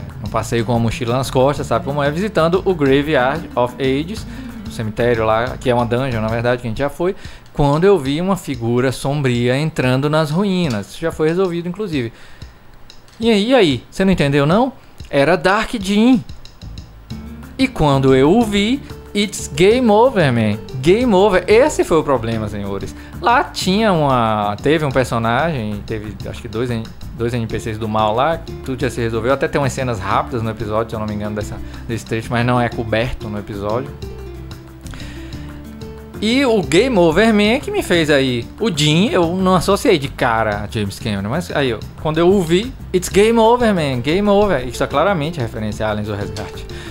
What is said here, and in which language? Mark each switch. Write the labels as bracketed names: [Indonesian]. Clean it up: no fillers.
[Portuguese] Passeio com a mochila nas costas, sabe como é, visitando o Graveyard of Ages, o cemitério lá, que é uma dungeon, na verdade, que a gente já foi, quando eu vi uma figura sombria entrando nas ruínas. Isso já foi resolvido, inclusive. E aí? Você não entendeu, não? Era Dark Jean. E quando eu o vi, [English] it's game over, man. Game over. [Portuguese] Esse foi o problema, senhores. Lá tinha uma... Teve um personagem, teve acho que dois NPCs do mal lá, tudo já se resolveu, até tem umas cenas rápidas no episódio, se eu não me engano, desse trecho, mas não é coberto no episódio. E o Game Over Man que me fez aí, o Jean, eu não associei de cara a James Cameron, mas aí, quando eu ouvi, [English] it's Game Over Man, Game Over, [Portuguese] isso é claramente a referência a Aliens do Resgate.